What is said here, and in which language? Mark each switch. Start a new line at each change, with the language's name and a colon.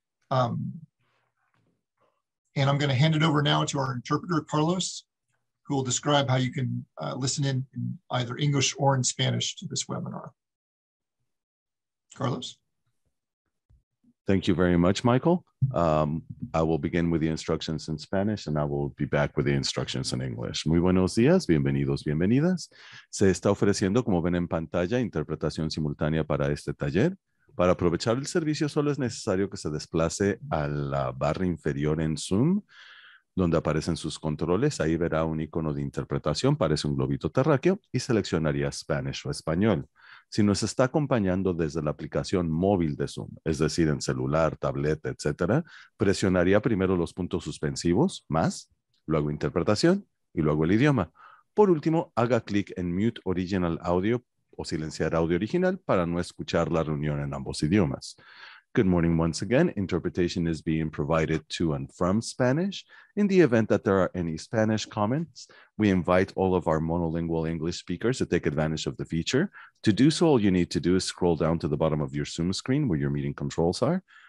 English: And I'm going to hand it over now to our interpreter, Carlos, who will describe how you can listen in either English or in Spanish to this webinar. Carlos? Thank you very much, Michael. I will begin with the instructions in Spanish and I will be back with the instructions in English.
Spanish: Muy buenos días, bienvenidos, bienvenidas. Se está ofreciendo, como ven en pantalla, interpretación simultánea para este taller. Para aprovechar el servicio, solo es necesario que se desplace a la barra inferior en Zoom, donde aparecen sus controles. Ahí verá un icono de interpretación, parece un globito terráqueo, y seleccionaría Spanish o español. Si nos está acompañando desde la aplicación móvil de Zoom, es decir, en celular, tableta, etcétera, presionaría primero los puntos suspensivos, más, luego interpretación y luego el idioma. Por último, haga clic en
English: Mute Original Audio
Spanish: o silenciar audio original para no escuchar la reunión en ambos idiomas.
English: Good morning once again. Interpretation is being provided to and from Spanish. In the event that there are any Spanish comments, we invite all of our monolingual English speakers to take advantage of the feature. To do so, all you need to do is scroll down to the bottom of your Zoom screen where your meeting controls are.